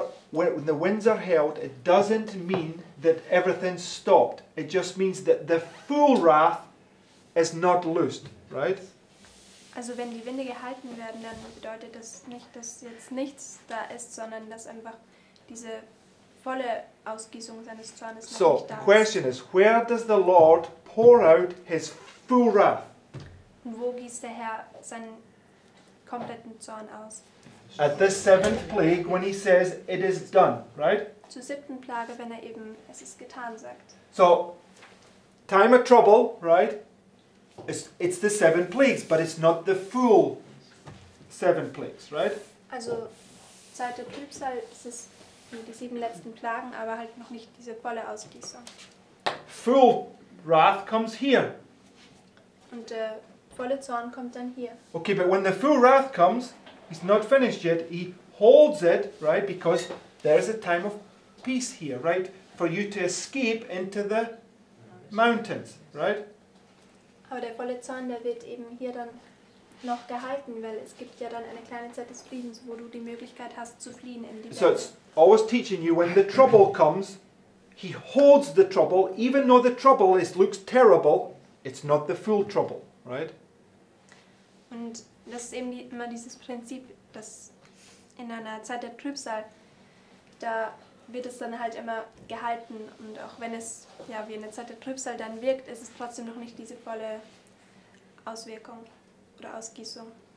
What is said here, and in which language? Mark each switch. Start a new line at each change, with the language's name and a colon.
English: When the winds are held, it doesn't mean that everything stopped. It just means that the full wrath is not loosed, right?
German: Also wenn die Winde gehalten werden, dann bedeutet das nicht, dass jetzt nichts da ist, sondern dass einfach diese volle Ausgießung seines Zornes noch nicht da ist.
English: So, question is, where does the Lord pour out his full wrath?
German: Und wo gießt der Herr seinen kompletten Zorn aus?
English: At the seventh plague, when he says it is done, right?
German: Zur siebten Plage, wenn er eben es ist getan sagt.
English: So, time of trouble, right? It's the seven plagues, but it's not the full seven plagues, right?
German: Also, Zeit der Trübsal, es ist die sieben letzten Plagen, aber halt noch nicht diese volle Ausgießung.
English: Full wrath comes here.
German: Und volle Zorn kommt dann hier.
English: Okay, but when the full wrath comes, he's not finished yet. He holds it, right? Because there is a time of peace here, right? For you to escape into the mountains, right?
German: Aber der volle Zorn, der wird eben hier dann noch gehalten, weil es gibt ja dann eine kleine Zeit des Friedens, wo du die Möglichkeit hast zu fliehen in die Berge.
English: So it's always teaching you when the trouble comes, he holds the trouble, even though the trouble is looks terrible, it's not the full trouble, right?
German: Und das ist eben immer dieses Prinzip, dass in einer Zeit der Trübsal, da wird es dann halt immer gehalten und auch wenn es ja wie eine Zeit der Trübsal dann wirkt, ist es trotzdem noch nicht diese volle Auswirkung oder Ausgießung.